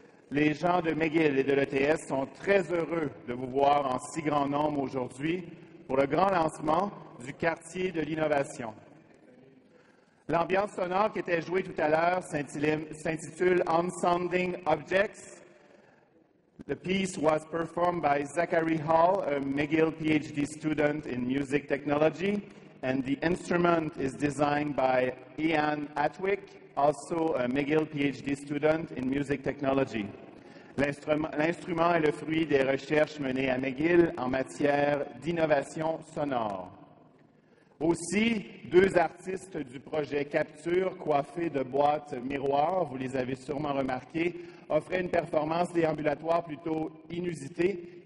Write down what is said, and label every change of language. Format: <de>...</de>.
<fr>Les gens de McGill et de l'ETS sont très heureux de vous voir en si grand nombre aujourd'hui pour le grand lancement du quartier de l'innovation. L'ambiance sonore qui était jouée tout à l'heure s'intitule « Unsounding Objects ».</fr> <en>The piece was performed by Zachary Hall, a McGill PhD student in music technology, and the instrument is designed by Ian Atwick, also a McGill PhD student in music technology.</en> <fr>L'instrument est le fruit des recherches menées à McGill en matière d'innovation sonore. Aussi, deux artistes du projet Capture, coiffés de boîtes miroirs, vous les avez sûrement remarqués, offraient une performance déambulatoire plutôt inusitée.</fr>